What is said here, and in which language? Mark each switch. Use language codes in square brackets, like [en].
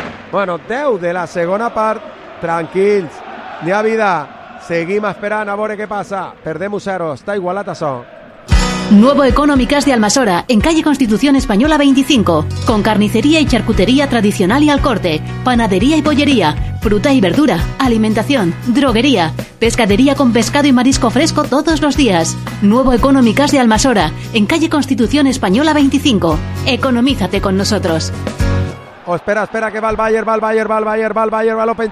[ca] Bueno, 10 de la segona part, tranquils, n'hi ha vida. Seguim esperant a veure què passa. Perdem 1-0, està igualat això. [es] Nuevo Economicas de Almasora, en calle Constitución Española 25. Con carnicería y charcutería tradicional y al corte, panadería y pollería, fruta y verdura, alimentación, droguería, pescadería con pescado y marisco fresco todos los días. Nuevo Economicas de Almasora, en calle Constitución Española 25. Economízate con nosotros. [ca] Oh, espera, espera, que va el Bayern, va el Bayern, va el Bayern, va el Bayern, va López.